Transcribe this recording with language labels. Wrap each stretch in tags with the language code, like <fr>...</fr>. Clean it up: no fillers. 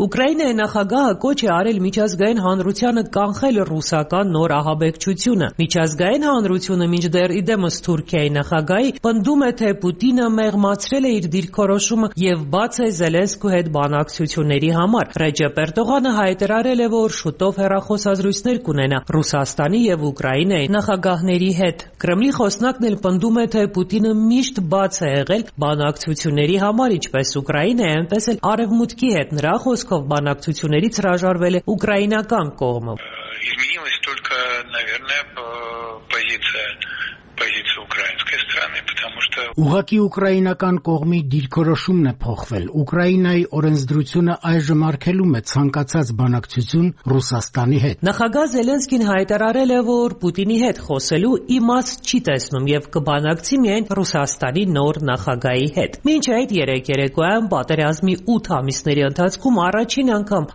<hy>Ուկրաինայի նախագահը կոչ է արել միջազգային հանրությանը կանխել ռուսական նոր ահաբեկչությունը։ Միջազգային հանրությունը մինչդեռ իդեմս Թուրքիայի նախագահի պնդում է, թե Պուտինը մեղմացրել է իր դիրքորոշումը և բաց է Զելենսկու հետ բանակցությունների համար։ Ռեջեպ Էրդողանը հայտարարել է, որ շուտով հեռախոսազրույցներ կունենա Ռուսաստանի և Ուկրաինայի նախագահների հետ։ Կրեմլի խոսնակն էլ պնդում է, թե Պուտինը միշտ բաց է եղել բանակցությունների համար, ինչպես Ուկրաինայի, այնպես էլ Արևմուտքի հետ, նրա խոսքով բանակցություններից հրաժարվել է ուկրաինական կողմը։</hy> <ru>Изменилась только, наверное, позиция украинской страны, потому что</ru> <hy>Ուղակի ուկրաինական կողմի դիրքորոշումն է փոխվել։ Ուկրաինայի օրենսդրությունը այժմ արգելում է ցանկացած բանակցություն Ռուսաստանի հետ։ Նախագահ Զելենսկին հայտարարել է, որ Պուտինի հետ խոսելու իմաստ չի տեսնում եւ կբանակցի միայն Ռուսաստանի նոր նախագահի հետ։ Մինչ այդ 3 երեկոյան պատերազմի 8 ամիսների ընթացքում առաջին անգամ</hy>